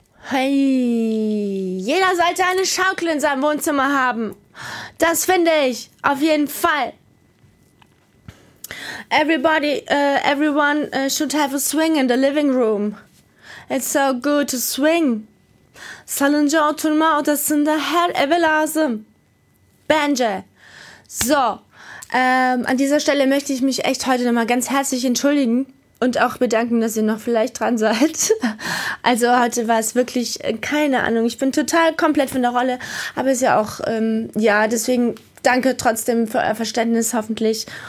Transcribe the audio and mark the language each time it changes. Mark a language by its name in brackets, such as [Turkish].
[German] Hey, jeder sollte eine Schaukel in seinem Wohnzimmer haben. Das finde ich auf jeden Fall. [English] Everyone should have a swing in the living room. It's so good to swing. [Turkish] Salınca oturma odasında her eve lazım. Bence. [German] So, an dieser Stelle möchte ich mich echt heute nochmal ganz herzlich entschuldigen. Und auch bedanken, dass ihr noch vielleicht dran seid. Also heute war es wirklich, keine Ahnung, ich bin total komplett von der Rolle. Aber es ist ja auch, deswegen danke trotzdem für euer Verständnis hoffentlich.